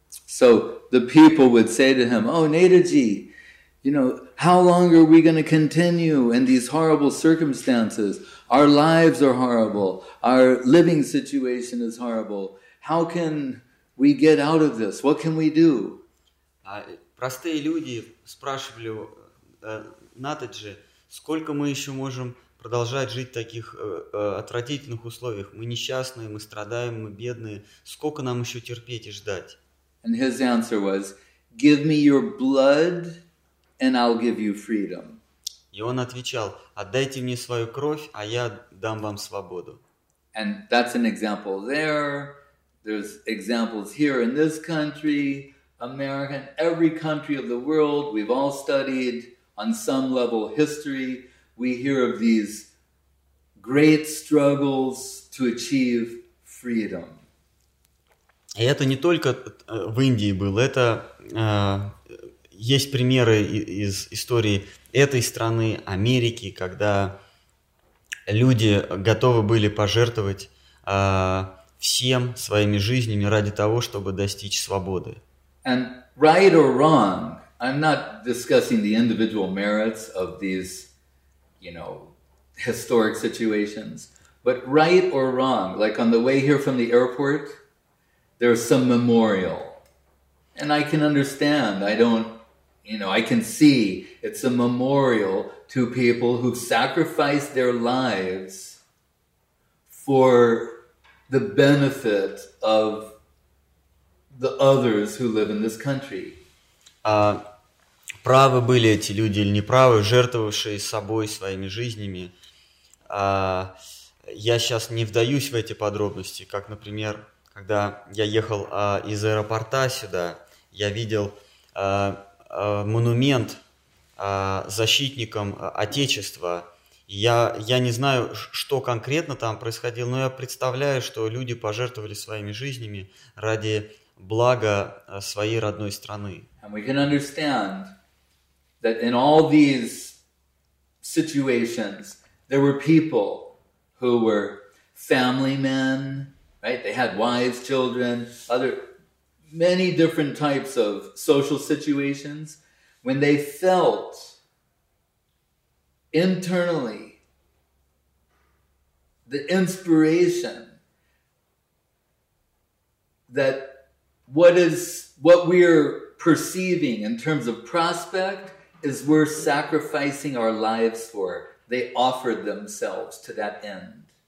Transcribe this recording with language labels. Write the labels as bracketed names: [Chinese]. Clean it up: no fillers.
[English] So the people would say to him, "Oh, Netaji, you know, how long are we going to continue in these horrible circumstances? Our lives are horrible. Our living situation is horrible. How can we get out of this? What can we do?" [Russian] Простые люди спрашивали Натаджи, сколько мы еще можем продолжать жить в таких отвратительных условиях? Мы несчастные, мы страдаем, мы бедные. Сколько нам еще терпеть и ждать? [English] And his answer was, "Give me your blood, and I'll give you freedom." [Russian] И он отвечал: "Отдайте мне свою кровь, а я дам вам свободу." [English] And that's an example there. There's examples here in this country, America, every country of the world. We've all studied on some level history. We hear of these great struggles to achieve freedom. [Russian] И это не только в Индии было, это есть примеры из истории этой страны, Америки, когда люди готовы были пожертвовать всем своими жизнями ради того, чтобы достичь свободы. [English] And right or wrong, I'm not discussing the individual merits of these, you know, historic situations, but right or wrong, like on the way here from the airport, there's some memorial. And I can understand, I don't, you know, I can see it's a memorial to people who sacrificed their lives for the benefit of the others who live in this country. [Russian] Правы были эти люди или неправы, жертвовавшие собой своими жизнями. Я сейчас не вдаюсь в эти подробности, как, например, когда я ехал из аэропорта сюда, я видел монумент защитникам Отечества. Я не знаю, что конкретно там происходило, но я представляю, что люди пожертвовали своими жизнями ради блага своей родной страны. [English] And we can understand that in all these situations there were people who were family men, right? They had wives, children, other many different types of social situations, when they felt internally the inspiration that what we are perceiving in terms of prospect is worth sacrificing our lives for, they offered themselves to that end.